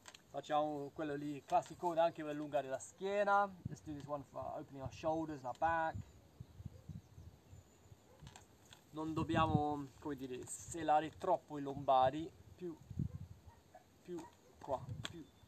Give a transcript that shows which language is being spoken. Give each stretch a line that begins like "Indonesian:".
Italian: Facciamo quello lì classico anche per allungare la schiena.
English: Let's do this one for opening our shoulders and our back.
Italian: Non dobbiamo, come dire, selare troppo i lombari, più qua, più.